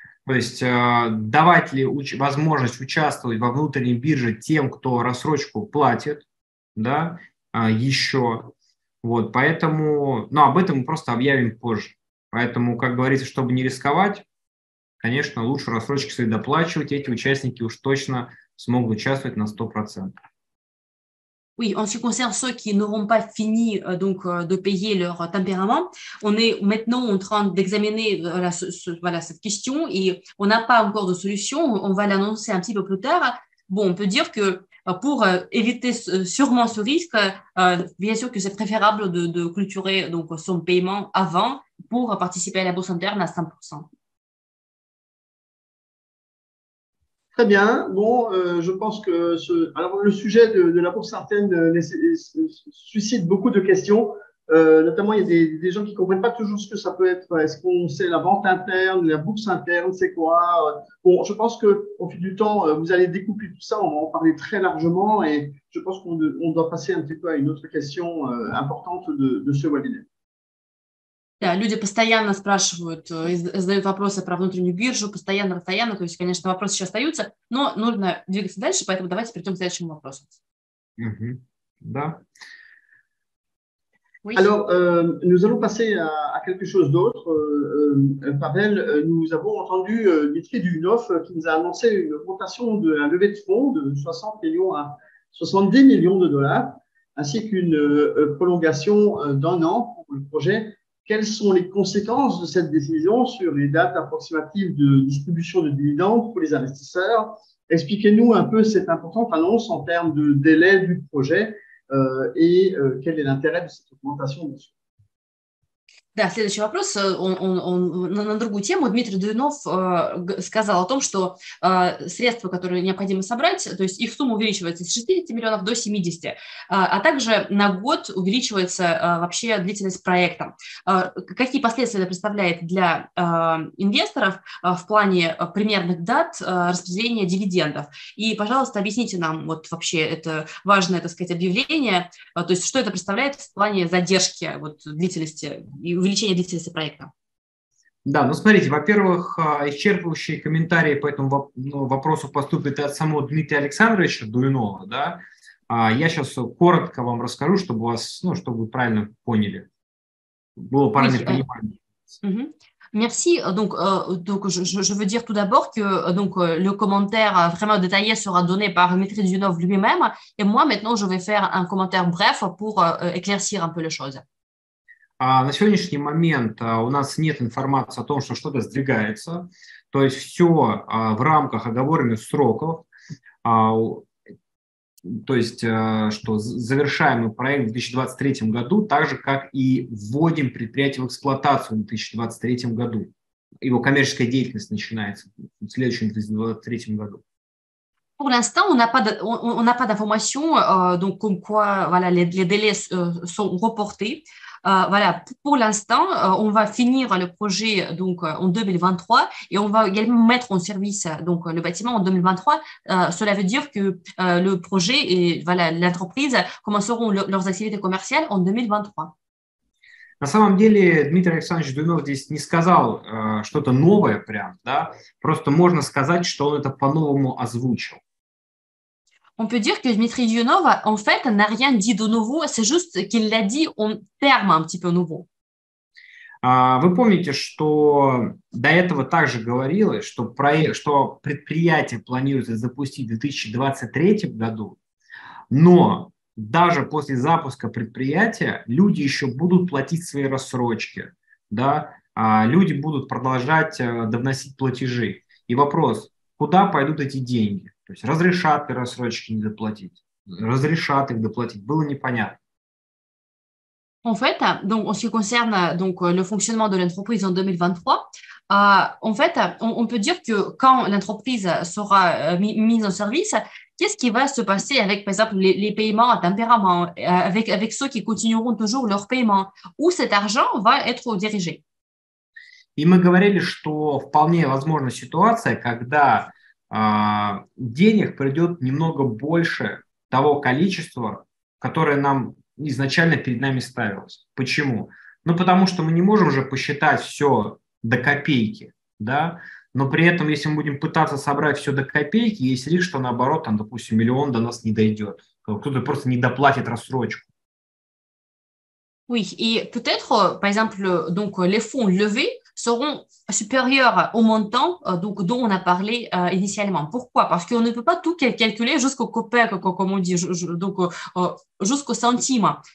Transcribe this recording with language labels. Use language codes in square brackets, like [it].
[ru] То есть давать ли возможность участвовать во внутренней бирже тем, кто рассрочку платит, да, еще. Вот, поэтому, но об этом мы просто объявим позже. Поэтому, как говорится, чтобы не рисковать, конечно, лучше рассрочки свои доплачивать. Эти участники уж точно смогут участвовать на 100%. [fr] Oui, en ce qui concerne ceux qui n'auront pas fini donc de payer leur tempérament, on est maintenant en train d'examiner voilà, cette question et on n'a pas encore de solution. On va l'annoncer un petit peu plus tard. Bon, on peut dire que pour éviter sûrement ce risque, bien sûr que c'est préférable de clôturer donc son paiement avant pour participer à la bourse interne à 100%. Très bien. Bon, je pense que alors, le sujet de la bourse interne suscite beaucoup de questions. Notamment, il y a des gens qui ne comprennent pas toujours ce que ça peut être. Est-ce qu'on sait la vente interne, la bourse interne, c'est quoi? Bon, je pense qu'au fil du temps, vous allez découper tout ça. On va en parler très largement et je pense qu'on doit passer un petit peu à une autre question importante de ce webinaire. [ru] Да, люди постоянно спрашивают, задают вопросы про внутреннюю биржу, постоянно, постоянно. То есть, конечно, вопросы еще остаются, но нужно двигаться дальше, поэтому давайте перейдем к следующему вопросу. Да. [fr] Oui. Alors, nous allons passer à quelque chose d'autre. Pavel, nous avons entendu Dmitri Dudnov qui nous a annoncé une augmentation de la levée de fonds de 60 millions à 70 millions de dollars, ainsi qu'une prolongation d'un an pour le projet. Quelles sont les conséquences de cette décision sur les dates approximatives de distribution de dividendes pour les investisseurs? Expliquez-nous un peu cette importante annonce en termes de délai du projet et quel est l'intérêt de cette augmentation, bien sûr. [ru] Да, следующий вопрос на другую тему. Дмитрий Дуйнов сказал о том, что средства, которые необходимо собрать, то есть их сумма увеличивается с 60 миллионов до 70, а также на год увеличивается вообще длительность проекта. Какие последствия это представляет для инвесторов в плане примерных дат распределения дивидендов? И, пожалуйста, объясните нам вот вообще это важное, так сказать, объявление, то есть что это представляет в плане задержки вот, длительности и увеличение длительности проекта. Да, ну смотрите, во-первых, исчерпывающие комментарии по этому вопросу поступят от самого Дмитрия Александровича Дуйнова, да. Я сейчас коротко вам расскажу, чтобы чтобы вы правильно поняли, было правильное понимание. [fr] Merci. Donc, je veux dire tout d'abord que donc le commentaire vraiment détaillé sera donné par Dmitri Dudnov lui-même. Et moi, maintenant, je vais faire un commentaire bref pour éclaircir un peu les choses. [ru] На сегодняшний момент у нас нет информации о том, что что-то сдвигается. То есть все в рамках оговоренных сроков. То есть, что завершаем проект в 2023 году, так же, как и вводим предприятие в эксплуатацию в 2023 году. Его коммерческая деятельность начинается в следующем 2023 году. [fr] Pour l'instant, on n'a pas d'informations, donc comme quoi, voilà, les délais sont reportés. Voilà, pour l'instant, on va finir le projet donc en 2023 et on va également mettre en service donc le bâtiment en 2023. Cela veut dire que le projet et voilà l'entreprise commenceront leurs activités commerciales en 2023. [ru] На самом деле Дмитрий Александрович Дуйнов здесь не сказал что-то новое прям, да? Просто можно сказать, что он это по-новому озвучил. [fr] On peut dire que Dmitri Dionov, en fait, n'a rien dit de nouveau, c'est juste qu'il l'a dit en termes un petit peu nouveaux. [ru] Вы помните, что до этого также говорилось, что предприятие планируется запустить в 2023 году, но даже после запуска предприятия люди еще будут платить свои рассрочки, да? Люди будут продолжать довносить платежи. И вопрос, куда пойдут эти деньги? То есть разрешат ли рассрочки не доплатить? Разрешат их доплатить? Было непонятно. [fr] En fait, donc en ce qui concerne donc le fonctionnement de l'entreprise en 2023, en fait, on peut dire que quand l'entreprise sera mise en service, qu'est-ce qui va se passer avec, par exemple, les paiements à tempérament, avec ceux qui continueront toujours leurs paiements, où cet argent va être dirigé? [ru] И мы говорили, что вполне возможна ситуация, когда денег придет немного больше того количества, которое нам изначально перед нами ставилось. Почему? Ну, потому что мы не можем же посчитать все до копейки, да, но при этом, если мы будем пытаться собрать все до копейки, есть риск, что наоборот, там, допустим, миллион до нас не дойдет, кто-то просто не доплатит рассрочку. [fr] Oui, et peut-être, par exemple, donc, les fonds levés seront supérieurs au montant donc, dont on a parlé initialement. Pourquoi? Parce qu'on ne peut pas tout calculer jusqu'au copec, comme on dit, jusqu'au centime.